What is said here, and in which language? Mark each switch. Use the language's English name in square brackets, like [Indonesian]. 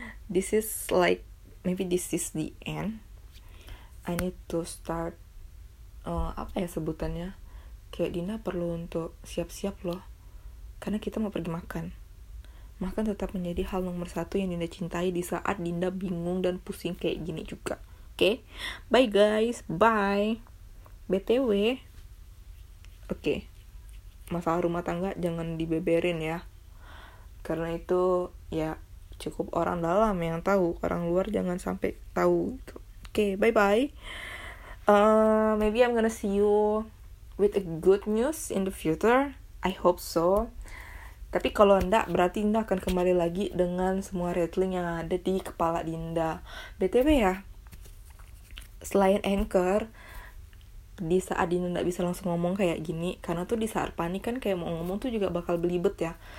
[English] This is like maybe this is the end. I need to start [Indonesian] apa ya sebutannya? Kayak Dinda perlu untuk siap-siap loh, karena kita mau pergi makan. Makan tetap menjadi hal nomor satu yang Dinda cintai di saat Dinda bingung dan pusing kayak gini juga. [English] Oke, okay? Bye guys, bye. BTW, oke. Okay. [Indonesian] Masalah rumah tangga jangan dibeberin ya, karena itu ya cukup orang dalam yang tahu. Orang luar jangan sampai tahu. [English] Oke, okay, bye-bye. Maybe I'm gonna see you with a good news in the future. I hope so. [Indonesian] Tapi kalau enggak, berarti Dinda akan kembali lagi dengan semua rattling yang ada di kepala Dinda. BTW ya, selain Anchor, di saat Dinda gak bisa langsung ngomong kayak gini, karena tuh di saat panik kan kayak mau ngomong tuh juga bakal belibet ya.